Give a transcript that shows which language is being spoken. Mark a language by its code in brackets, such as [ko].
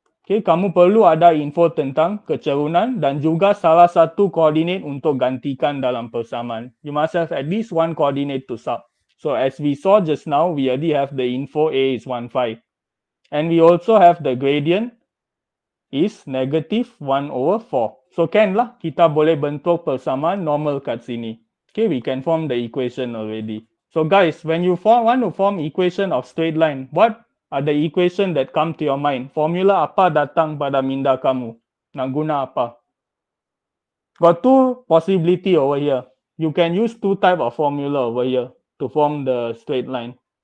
[ms] Okay, kamu perlu ada info tentang kecerunan dan juga salah satu coordinate untuk gantikan dalam persamaan. [en] You must have at least one coordinate to sub. So as we saw just now, we already have the info A is 1.5. And we also have the gradient is negative 1 over 4. So can [ms] lah, kita boleh bentuk persamaan normal kat sini. [en] Okay, we can form the equation already. So guys, when you want to form equation of straight line, what are the equation that come to your mind? [ms] Formula apa datang pada minda kamu? Nak guna apa? [en] Got two possibility over here. You can use two type of formula over here to form the straight line.